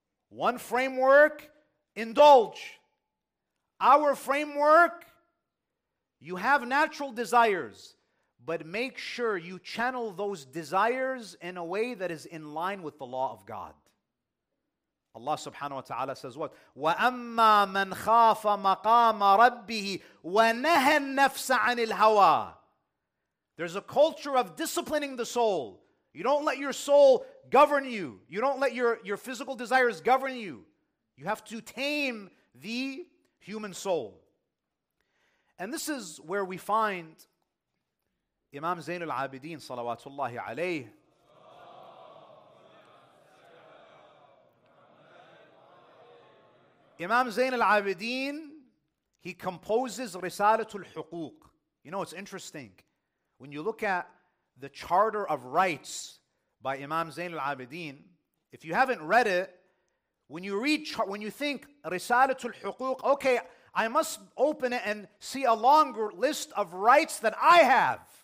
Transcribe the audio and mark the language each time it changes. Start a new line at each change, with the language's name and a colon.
English: One framework, indulge. Our framework, you have natural desires, but make sure you channel those desires in a way that is in line with the law of God. Allah subhanahu wa ta'ala says what?
Arabic: وَأَمَّا مَنْ خَافَ مَقَامَ رَبِّهِ وَنَهَى النَّفْسَ عَنِ الْهَوَى
English: There's a culture of disciplining the soul. You don't let your soul govern you. You don't let your physical desires govern you. You have to tame the human soul. And this is where we find
Arabic: إمام زين العابدين صلوات الله عليه إمام زين العابدين
English: he composes
Arabic: رسالة الحقوق.
English: You know, it's interesting. When you look at the Charter of Rights by Imam Zain al-Abidin, if you haven't read it, when you read, when you think Risalatul Huquq, okay, I must open it and see a longer list of rights that I have.